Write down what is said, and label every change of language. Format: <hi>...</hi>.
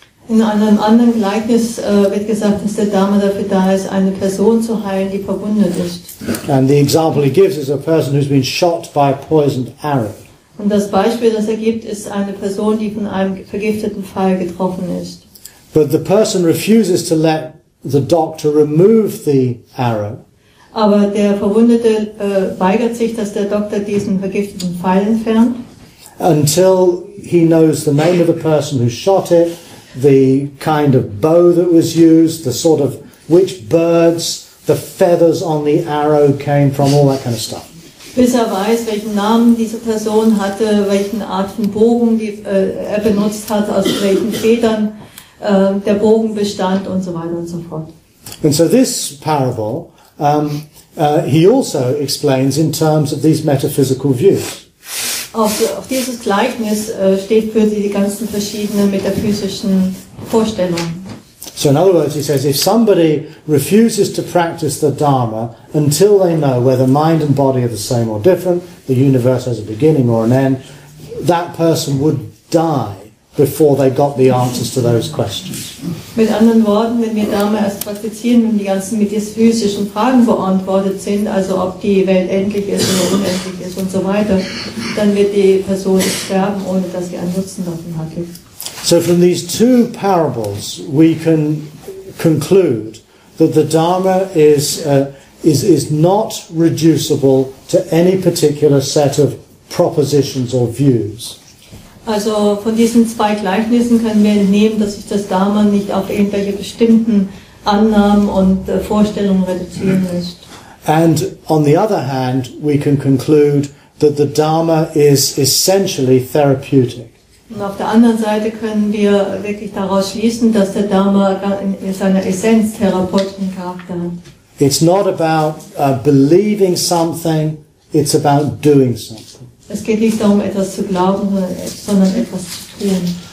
<de>In einem anderen Gleichnis wird gesagt, dass der Dharma dafür da ist, eine Person zu heilen, die verwundet ist.</de> <en>And the example he gives is a person who's been shot by a poisoned arrow.</en> <de>Und das Beispiel, das er gibt, ist eine Person, die von einem vergifteten Pfeil getroffen ist.</de> <en>But the person refuses to let the doctor remove the arrow.</en> <de>Aber der Verwundete weigert sich, dass der Doktor diesen vergifteten Pfeil entfernt.</de> <en>Until he knows the name of the person who shot it, the kind of bow that was used, the sort of which birds the feathers on the arrow came from, all that kind of stuff.</en> <de>Bis er weiß, welchen Namen diese Person hatte, welchen Art von Bogen er benutzt hat, aus welchen Federn der Bogen bestand und so weiter und so fort.</de> <en>And so this parable, he also explains in terms of these metaphysical views.</en> <de>Auf dieses Gleichnis steht für die ganzen verschiedenen metaphysischen Vorstellungen.</de> <en>So in other words, he says, if somebody refuses to practice the Dharma until they know whether mind and body are the same or different, the universe has a beginning or an end, that person would die before they got the answers to those questions.</en> <de>Mit anderen Worten, wenn wir Dharma erst praktizieren, wenn die ganzen metaphysischen Fragen beantwortet sind, also ob die Welt endlich ist oder unendlich ist und so weiter, dann wird die Person sterben, ohne dass sie einen Nutzen davon hatte.</de> <en>So from these two parables, we can conclude that the Dharma is not reducible to any particular set of propositions or views.</en> <de>Also von diesen zwei Gleichnissen können wir entnehmen, dass sich das Dharma nicht auf irgendwelche bestimmten Annahmen und Vorstellungen reduzieren lässt.</de> <en>And on the other hand, we can conclude that the Dharma is essentially therapeutic.</en> <de>Und auf der anderen Seite können wir wirklich daraus schließen, dass der Dharma in seiner Essenz therapeutischen Charakter hat.</de> <en>It's not about believing something, it's about doing something.</en> <de>Es geht nicht darum, etwas zu glauben, sondern etwas zu tun.</de>